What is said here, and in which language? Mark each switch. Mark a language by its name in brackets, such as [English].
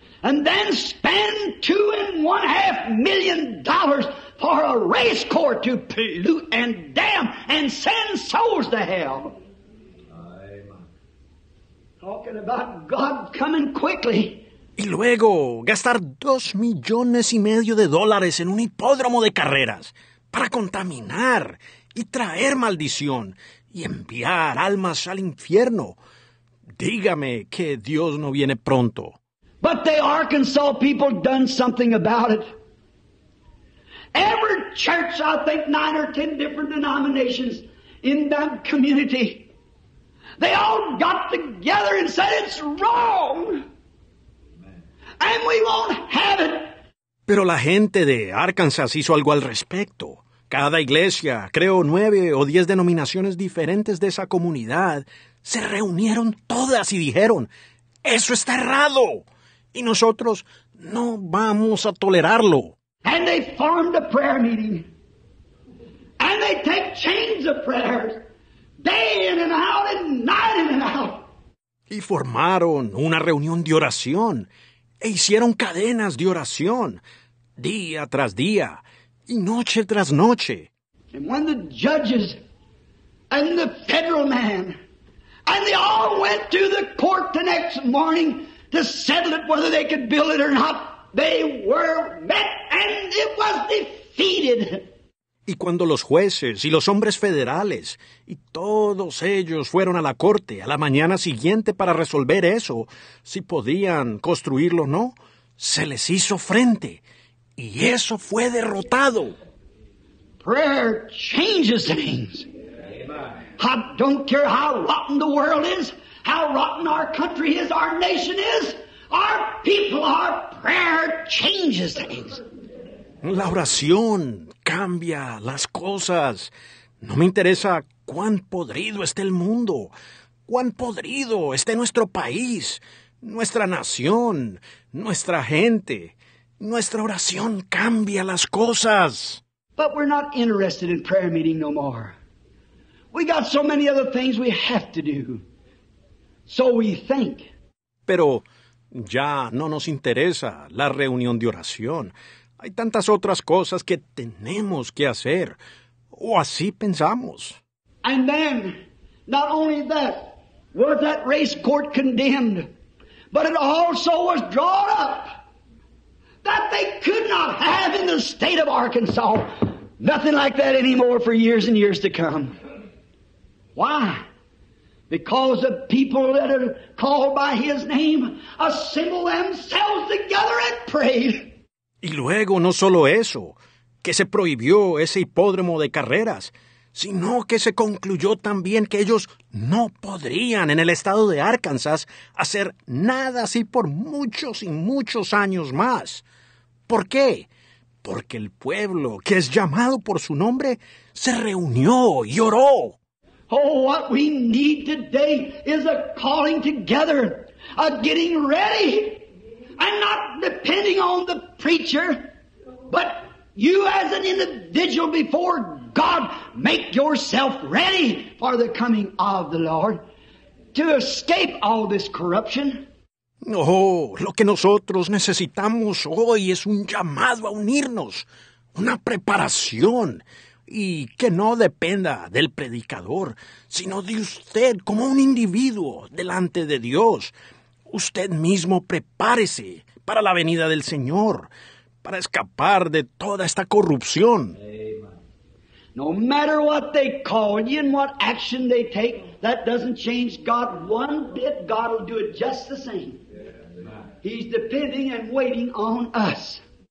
[English] And then spend $2.5 million for a race car to pollute and damn and send souls to hell. Talking about God coming quickly. [Spanish] Y luego gastar $2.5 million en un hipódromo de carreras para contaminar y traer maldición y enviar almas al infierno. Dígame que Dios no viene pronto. [English] But the Arkansas people done something about it. Every church, I think 9 or 10 different denominations in that community, they all got together and said it's wrong. And we won't have it. [Spanish] Pero la gente de Arkansas hizo algo al respecto. Cada iglesia, creo 9 o 10 denominaciones diferentes de esa comunidad, se reunieron todas y dijeron, eso está errado. Y nosotros no vamos a tolerarlo. [English] And they formed a prayer meeting. And they take chains of prayers, day in and out and night in and out. [Spanish] Y formaron una reunión de oración. E hicieron cadenas de oración, día tras día, y noche tras noche. [English] And when the judges, and the federal man, and they all went to the court the next morning to settle it whether they could build it or not, they were met, and it was defeated. [Spanish] Y cuando los jueces y los hombres federales y todos ellos fueron a la corte a la mañana siguiente para resolver eso, si podían construirlo o no, se les hizo frente y eso fue derrotado. [English] Prayer changes things. I don't care how rotten the world is, how rotten our country is, our nation is, our people, our prayer changes things. [Spanish] La oración cambia las cosas. No me interesa cuán podrido esté el mundo, cuán podrido esté nuestro país, nuestra nación, nuestra gente. Nuestra oración cambia las cosas. [English] But we're not interested in prayer meeting no more. We got so many other things we have to do. So we think. [Spanish] Pero ya no nos interesa la reunión de oración. Hay tantas otras cosas que tenemos que hacer, o así pensamos. [English] And then, not only that, was that race court condemned, but it also was drawn up that they could not have in the state of Arkansas nothing like that anymore for years and years to come. Why? Because the people that are called by his name assemble themselves together and pray. [Spanish] Y luego, no solo eso, que se prohibió ese hipódromo de carreras, sino que se concluyó también que ellos no podrían en el estado de Arkansas hacer nada así por muchos y muchos años más. ¿Por qué? Porque el pueblo, que es llamado por su nombre, se reunió y oró. [English] Oh, what we need today is a calling together, a getting ready. I'm not depending on the preacher, but you as an individual before God, make yourself ready for the coming of the Lord to escape all this corruption. [Spanish] Oh, lo que nosotros necesitamos hoy es un llamado a unirnos, una preparación, y que no dependa del predicador, sino de usted como un individuo delante de Dios. Usted mismo prepárese para la venida del Señor, para escapar de toda esta corrupción. [English] No matter what they call you and what action they take, that doesn't change God one bit. God will do it just the same. He's depending and waiting on us.